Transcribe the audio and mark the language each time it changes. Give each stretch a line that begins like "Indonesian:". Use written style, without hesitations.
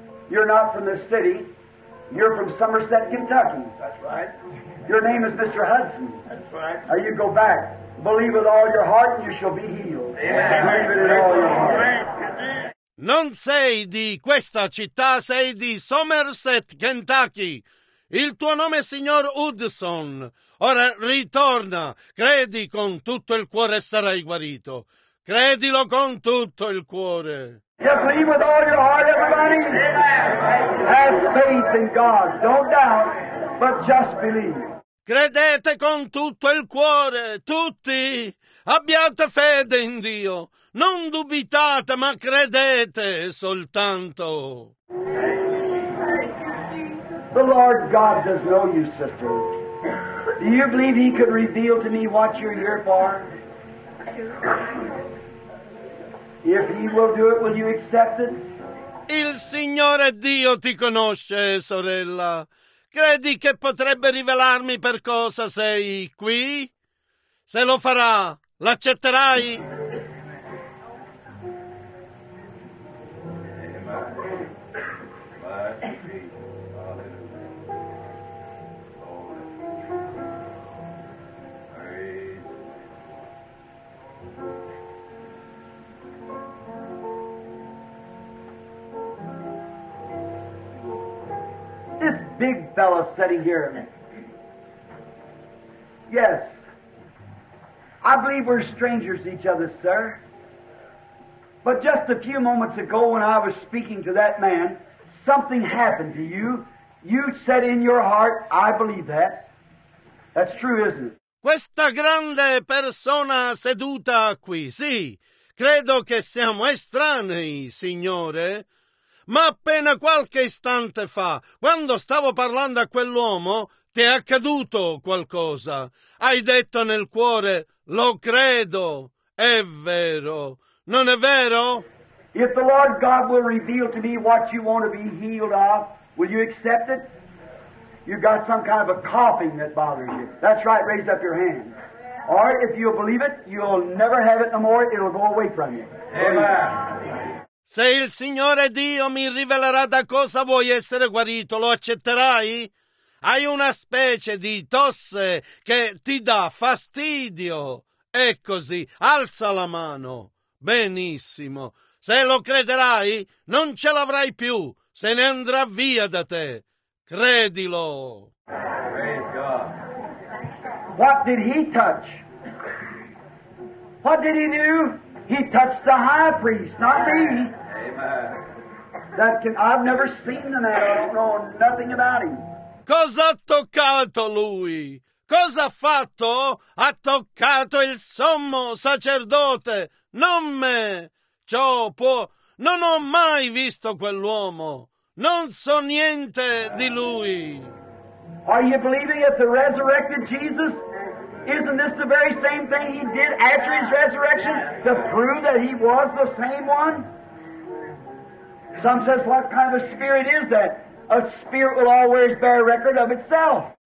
English: You're not from this city. You're from Somerset, Kentucky. That's right. Your name is Mr. Hudson. That's right. Now you go back. Believe with all your heart and you shall be healed. Amen. Believe it with all your heart.
Italian: Non sei di questa città, sei di Somerset, Kentucky. Il tuo nome è signor Hudson. Ora ritorna. Credi con tutto il cuore e sarai guarito. Credilo con tutto il cuore.
English: Just believe with all your heart, everybody. Have faith in God. Don't doubt, but just believe.
Italian: Credete con tutto il cuore, tutti. Abbiate fede in Dio. Non dubitate, ma credete soltanto.
English: The Lord God does know you, sister. Do you believe He could reveal to me what you're here for? If He will do it, will you accept it?
Italian: Il Signore Dio ti conosce, sorella. Credi che potrebbe rivelarmi per cosa sei qui? Se lo farà, l'accetterai?
English: Big fellow sitting here. Yes. I believe we're strangers to each other, sir. But just a few moments ago when I was speaking to that man, something happened to you. You said in your heart, I believe that. That's true, isn't it?
Italian: Questa grande persona seduta qui, sì. Credo che siamo estranei, signore. Ma appena qualche istante fa, quando stavo parlando a quell'uomo, ti è accaduto qualcosa. Hai detto nel cuore, lo credo, è vero. Non è vero?
English: If the Lord God will reveal to me what you want to be healed of, will you accept it? You've got some kind of a coughing that bothers you. That's right, raise up your hand. Or if you'll believe it, you'll never have it no more, it'll go away from you. Amen.
Italian: Se il Signore Dio mi rivelerà da cosa vuoi essere guarito, lo accetterai? Hai una specie di tosse che ti dà fastidio. È così. Alza la mano. Benissimo. Se lo crederai, non ce l'avrai più. Se ne andrà via da te. Credilo.
English: Praise God. What did he touch? What did he do? He touched the high priest, not me. I've never seen the man. I don't know nothing about him.
Italian: Cosa ha toccato lui? Cosa ha fatto? Ha toccato il sommo sacerdote, non me. Ciò può. Non ho mai visto quell'uomo. Non so niente di lui.
English: Are you believing that the resurrected Jesus? Isn't this the very same thing he did after his resurrection to prove that he was the same one? Some says, what kind of spirit is that? A spirit will always bear record of itself.